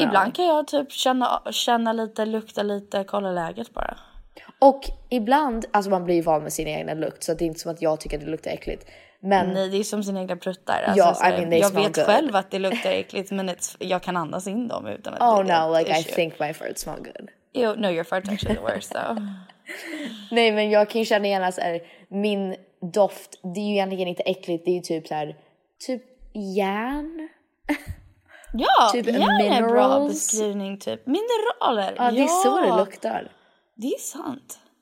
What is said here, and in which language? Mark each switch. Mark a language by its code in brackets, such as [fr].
[sv] Ibland kan jag typ känna lite, lukta lite, kolla läget bara. Och ibland, alltså man blir van med sin egna lukt. Så det är inte som att jag tycker att det luktar äckligt. Men nej, det är som sin egna pruttar. Alltså, [en] yeah, I mean, [sv] jag vet good. Själv att det luktar äckligt. Men jag kan andas in dem utan att [en] oh no, like issue. I think my fart smell good. Yo, no, your fart actually the worst though. [sv] Nej, men jag kan känna igen att min doft, det är ju egentligen inte äckligt. Det är ju typ så här, typ järn. Ja, typ järn är bra beskrivning. Typ mineraler. Ja, det är så det luktar. Det är sant.